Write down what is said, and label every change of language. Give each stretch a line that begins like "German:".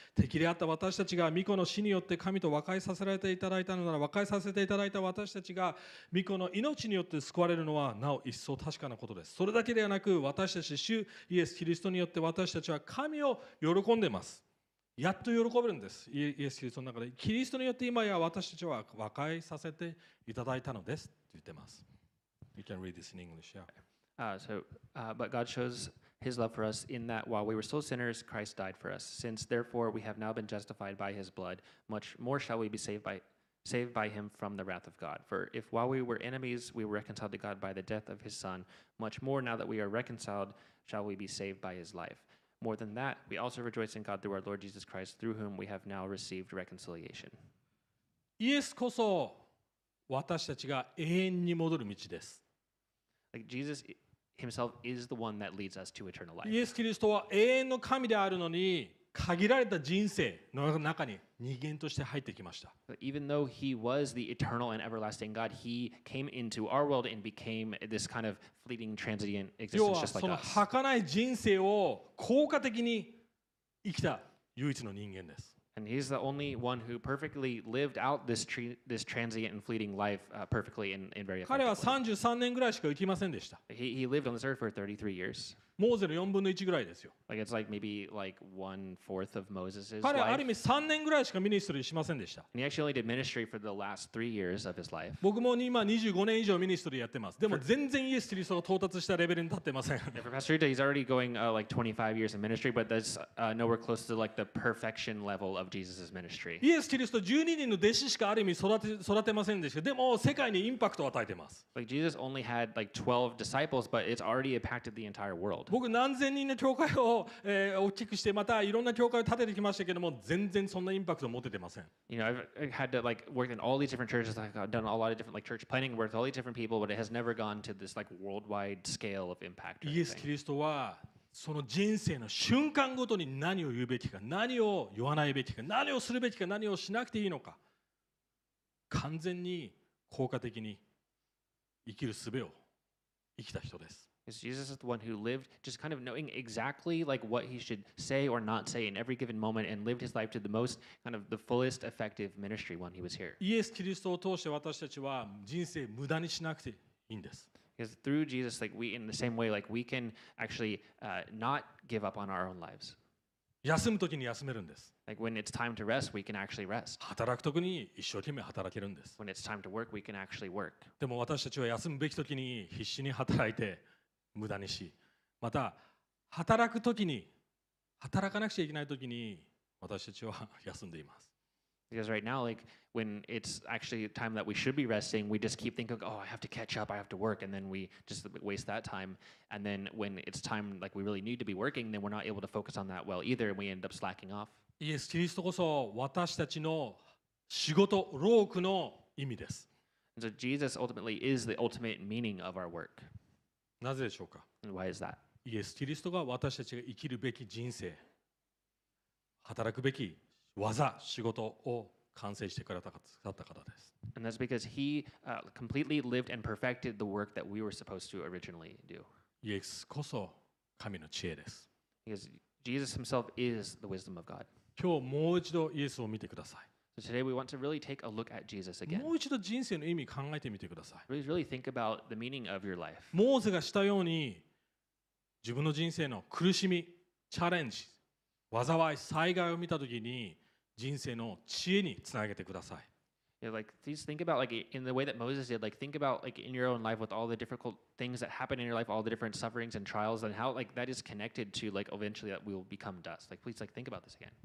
Japanese: 敵であった私たちが御子の死によって神と和解させられていただいたのなら、和解させていただいた私たちが御子の命によって救われるのはなお一層確かなことです。それだけではなく、私たち主イエスキリストによって私たちは神を喜んでます。やっと喜べるんです。イエスキリストの中でキリストによって今や私たちは和解させていただいたのですと言ってます。
English: You can read this in English, yeah. But God shows His love for us in that while we were still sinners, Christ died for us. Since therefore we have now been justified by His blood, much more shall we be saved by Him from the wrath of God. For if while we were enemies, we were reconciled to God by the death of His Son, much more now that we are reconciled, shall we be saved by His life. More than that, we also rejoice in God through our Lord Jesus Christ, through whom we have now received reconciliation.
Japanese: イエスこそ私たちが永遠に戻る道です。
English: Like Jesus Himself is the one that leads us to eternal life.
Japanese: イエス・キリストは永遠の神であるのに限られた人生の中に人間として入ってきました。
English: Even though he was the eternal and everlasting God, he came into our world and became this kind of fleeting, transient existence just like us.
Japanese: 要はその儚い人生を効果的に生きた唯一の人間です。
English: And he's the only one who perfectly lived out this transient and fleeting life perfectly and very effectively.
Japanese: 彼は33年ぐらいしか生きませんでした。
English: He lived on this earth for 33 years.
Japanese: モーゼの4分の1ぐらいですよ。
English: Like it's like maybe like one fourth of Moses' life.
Japanese: 彼はある意味3年ぐらいしかミニストリーしませんでした。
English: And he actually only did ministry for the last 3 years of his life.
Japanese: 僕も今25年以上ミニストリーやってます。でも全然イエス・キリストが到達したレベルに立ってません。
English: For Pastor Rita, he's already going like 25 years in ministry, but that's nowhere close to like the perfection level of Jesus' ministry.
Japanese: イエス・キリスト12人の弟子しかある意味育てませんでした。でも世界にインパクトを与えてます。
English: Like Jesus only had like 12 disciples, but it's already impacted the entire world.
Japanese: 僕何千人の教会を大きくしてまたいろんな教会を建ててきましたけども、全然そんなインパクトを持ててません。
English: You know, I've had to like work in all these different churches. I've done a lot of different like church planning, worked with all these different people, but it has never gone to this like worldwide scale of impact.
Japanese: イエス・キリストはその人生の瞬間ごとに何を言うべきか、何を言わないべきか、何をするべきか、何をしなくていいのか、完全に効果的に生きる術を生きた人です。
English: Jesus is the one who lived just kind of knowing exactly like what he should say or not say in every given moment and lived his life to the most kind of the fullest effective ministry when he was here.
Japanese: イエス・キリストを通して私たちは人生無駄にしなくていいんです。
English: Because through Jesus, like we, in the same way, like we can actually not give up on our own lives.
Japanese: 休むときに休めるんです。
English: Like when it's time to rest, we can actually rest.
Japanese: 働くときに一生懸命働けるんです。
English: When it's time to work, we can actually work.
Japanese: でも私たちは休むべきときに必死に働いて無駄にし、また働くときに働かなくちゃいけないときに私たちは休んでいます。
English: Because right now, like when it's actually time that we should be resting, we just keep thinking, "Oh, I have to catch up, I have to work," and then we just waste that time. And then when it's time like we really need to be working, then we're not able to focus on that well either, and we end up slacking off.
Japanese: イエス・キリストこそ私たちの仕事、労苦の意味です。
English: And、so Jesus ultimately is the ultimate meaning of our work.
Japanese: なぜでしょうか?
English: And why is that?
Japanese: イエス・キリストが私たちが生きるべき人生、働くべき技、仕事を完成してくれた方です。
English: And that's because he、completely lived and perfected the work that we were supposed to originally do.
Japanese: イエスこそ神の知恵です。
English: Because Jesus himself is the wisdom of God.
Japanese: 今日もう一度イエスを見てください。
English: So today we want to really take a look at Jesus again.
Japanese: もう一度人生の意味考えてみてください。
English: Really think about the meaning of your life.
Japanese: モーゼがしたように自分の人生の苦しみ、チャレンジ、災い、災害を見たときに人生の知恵につなげてください。
English: Yeah, like, please think about like in the way that Moses did. Like, think about like in your own life with all the difficult things that happen in your life, all the different sufferings and trials, and how like that is connected to like eventually that we will become dust. Like, please like think about this again.